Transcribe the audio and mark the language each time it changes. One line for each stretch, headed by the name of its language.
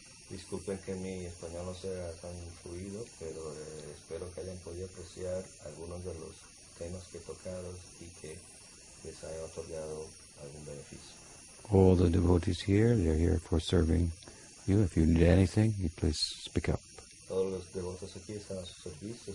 Spanish: Disculpen que mi español no sea tan fluido, pero espero que hayan podido apreciar algunos de los temas que tocados y que les haya otorgado algún beneficio.
English: All the devotees here, they're here for serving you. If you need anything, you please speak up.
Spanish: Todos los devotos aquí están a su servicio.